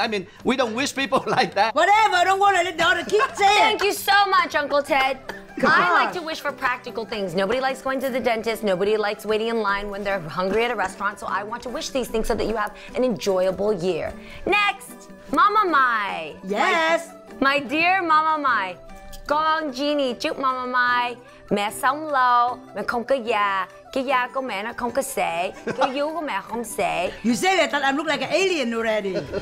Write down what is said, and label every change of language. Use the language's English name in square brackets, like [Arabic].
[English] I mean, we don't wish people like that. Whatever, I don't want to let the other kids in. Thank you so much, Uncle Ted. I like to wish for practical things. Nobody likes going to the dentist. Nobody likes waiting in line when they're hungry at a restaurant. So I want to wish these things so that you have an enjoyable year. Next, Mama Mai. Yes. My dear Mama Mai. [Vietnamese] Con Jeannie, chúc Mama Mai mẹ sống lâu, mẹ không có già, cái da của mẹ nó không có xệ, cái vú của mẹ không xệ. [English] You say that, that I look like an alien already.